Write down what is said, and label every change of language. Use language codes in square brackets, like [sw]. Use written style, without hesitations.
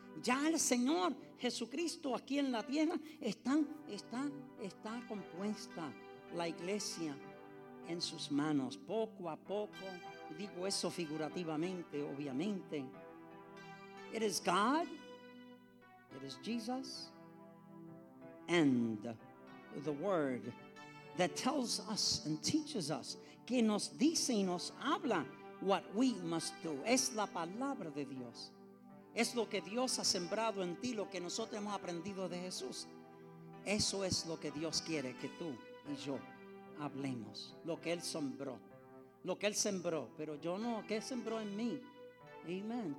[es] Ya el Señor Jesucristo aquí en la tierra está compuesta la iglesia en sus manos, poco a poco. Digo eso figurativamente, obviamente. [en] It is God, it is Jesus, and the Word that tells us and teaches us, [es] que nos dice y nos habla [en] what we must do. [es] Es la palabra de Dios. Es lo que Dios ha sembrado en ti, lo que nosotros hemos aprendido de Jesús. Eso es lo que Dios quiere que tú y yo hablemos. Lo que Él sembró. Lo que Él sembró. Pero yo no, ¿qué sembró en mí? Amén.